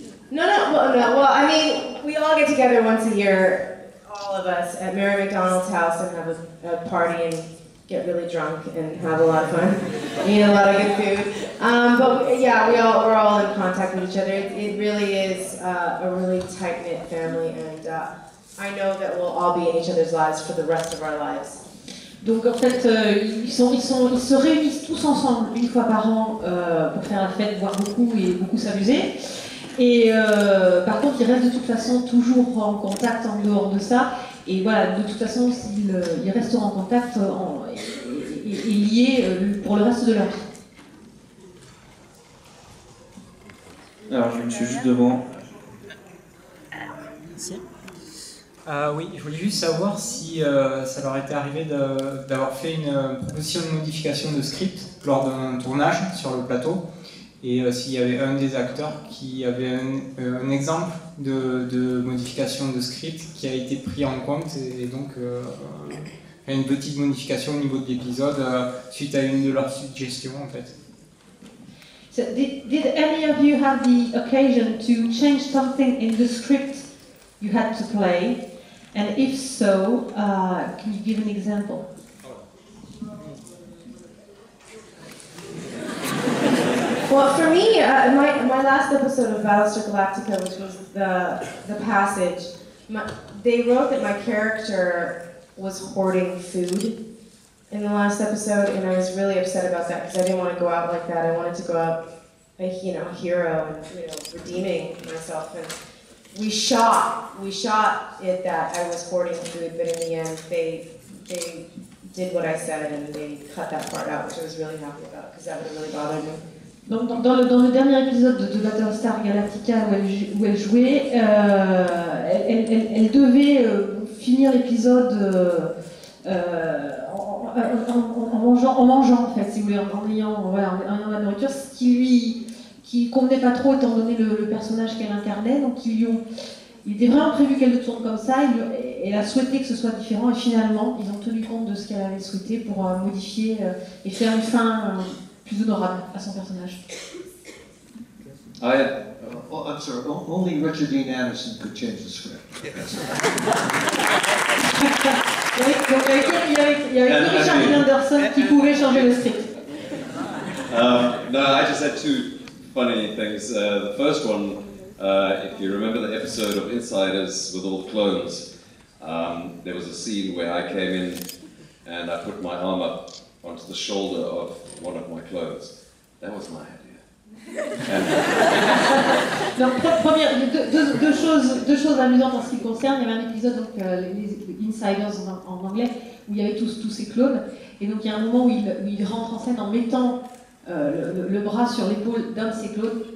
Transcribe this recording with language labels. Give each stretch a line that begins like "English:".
English: We all get together once a year, all of us, at Mary McDonald's house and have a party and get really drunk and have a lot of fun, eat a lot of good food. We're all in contact with each other. It really is a really tight-knit family, and I know that we'll all be in each other's lives for the rest of our lives.
French: Donc en fait, ils se réunissent tous ensemble une fois par an pour faire la fête, boire beaucoup et beaucoup s'amuser. Et par contre, ils restent de toute façon toujours en contact en dehors de ça. Et voilà, de toute façon, ils resteront en contact et liés pour le reste de leur vie. Alors, je me suis juste devant. Oui, je voulais juste savoir si ça leur était arrivé d'avoir fait une proposition de modification de script lors d'un tournage sur le plateau, et s'il y avait un des acteurs qui avait un exemple de modification de script qui a été pris en compte, et donc une petite modification au niveau de l'épisode suite à une de leurs suggestions en fait.
English: So did any of you have the occasion to change something in the script you had to play? And if so, can you give an example? Oh. Well, for me, my last episode of Battlestar Galactica, which was the passage, they wrote that my character was hoarding food in the last episode, and I was really upset about that because I didn't want to go out like that. I wanted to go out a hero and redeeming myself. And we shot it that I was hoarding food, but in the end, they did what I said and they cut that part out, which I was really happy about because that would have really bothered me.
French: Donc dans le dernier épisode de Battlestar Galactica où elle jouait, elle devait finir l'épisode en mangeant en fait, si vous voulez, en ayant la nourriture, ce qui convenait pas trop étant donné le personnage qu'elle incarnait. Donc il était vraiment prévu qu'elle le tourne comme ça. Elle a souhaité que ce soit différent et finalement ils ont tenu compte de ce qu'elle avait souhaité pour modifier et faire une fin. Plus honorable à son personnage.
English: I'm sorry, only Richard Dean Anderson could change the script.
French: Il y avait que Richard Dean Anderson qui pouvait changer le script.
English: No, I just had two funny things. The first one, if you remember the episode of Insiders with all the clones, there was a scene where I came in and I put my arm up onto the shoulder of one of my clones. That was my idea.
French: Donc, deux choses amusantes en ce qui concerne. Il y avait un épisode, donc,
English: les Insiders
French: en anglais, où il y avait tous ces clones. Et donc, il y a un moment où il rentre en scène en mettant le bras sur l'épaule d'un de ses clones.